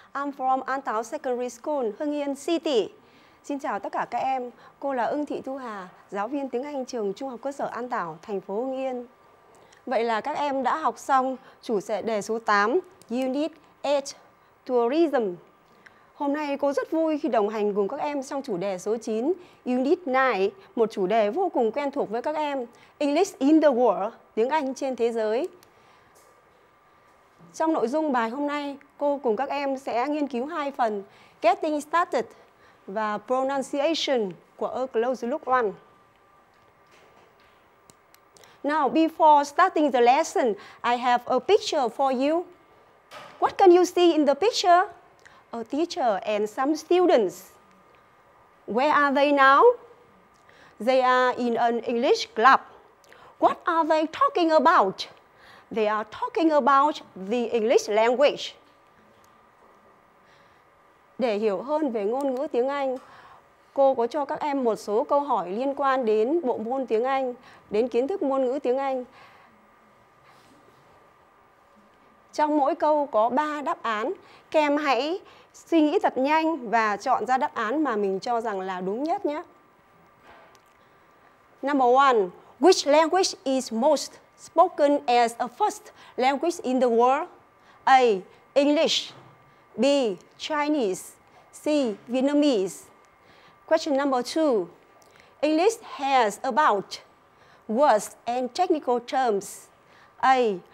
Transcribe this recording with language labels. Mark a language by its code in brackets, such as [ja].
[en] I'm from An Táo Secondary School, Hưng Yên City. [vi] Xin chào tất cả các em. Cô là Ưng Thị Thu Hà, giáo viên tiếng Anh trường Trung học cơ sở An Táo, thành phố Hưng Yên. Vậy là các em đã học xong chủ đề số 8, Unit 8, Tourism. Hôm nay cô rất vui khi đồng hành cùng các em trong chủ đề số 9, Unit 9, một chủ đề vô cùng quen thuộc với các em, English in the World, tiếng Anh trên thế giới. Trong nội dung bài hôm nay, cô cùng các em sẽ nghiên cứu hai phần Getting Started và Pronunciation của A Close Look One. [en] Now, before starting the lesson, I have a picture for you. What can you see in the picture? A teacher and some students. Where are they now? They are in an English club. What are they talking about? They are talking about the English language. [vi] Để hiểu hơn về ngôn ngữ tiếng Anh, cô có cho các em một số câu hỏi liên quan đến bộ môn tiếng Anh, đến kiến thức ngôn ngữ tiếng Anh. Trong mỗi câu có 3 đáp án, các em hãy suy nghĩ thật nhanh và chọn ra đáp án mà mình cho rằng là đúng nhất nhé. [en] Number 1, which language is most spoken as a first language in the world? A. English. B. Chinese. C. Vietnamese. Question number 2. English has about words and technical terms. A.